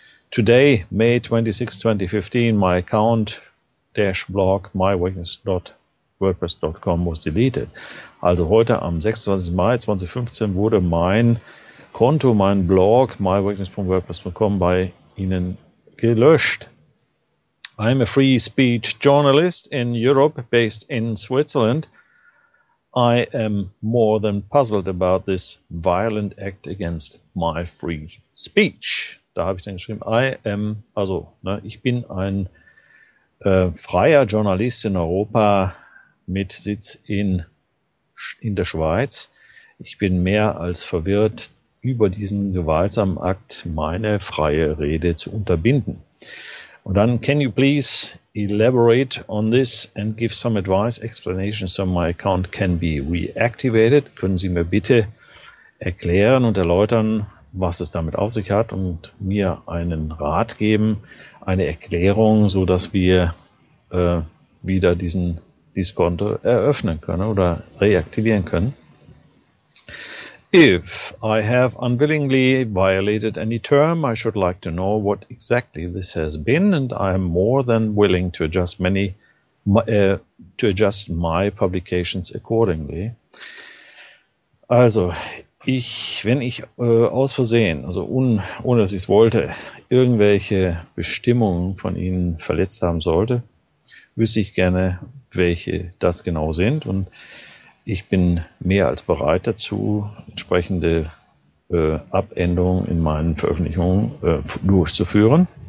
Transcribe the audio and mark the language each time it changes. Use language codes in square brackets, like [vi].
[en] Today, May 26, 2015, my account-blog mywakeness.wordpress.com was deleted. [de] Also heute am 26. Mai 2015 wurde mein Konto, mein Blog mywakeness.wordpress.com bei Ihnen gelöscht. [en] I'm a free speech journalist in Europe based in Switzerland. I am more than puzzled about this violent act against my free speech. [de] Da habe ich dann geschrieben, ich bin ein freier Journalist in Europa mit Sitz in der Schweiz. Ich bin mehr als verwirrt über diesen gewaltsamen Akt, meine freie Rede zu unterbinden. Und dann, [en] can you please elaborate on this and give some advice, explanation, so my account can be reactivated? [de] Können Sie mir bitte erklären und erläutern, was es damit auf sich hat und mir einen Rat geben, eine Erklärung, so dass wir wieder dieses Konto eröffnen können oder reaktivieren können. [en] If I have unwillingly violated any term, I should like to know what exactly this has been, and I am more than willing to adjust my publications accordingly. [de] Also, ohne dass ich es wollte, irgendwelche Bestimmungen von Ihnen verletzt haben sollte, wüsste ich gerne, welche das genau sind, und ich bin mehr als bereit dazu, entsprechende Abänderungen in meinen Veröffentlichungen durchzuführen.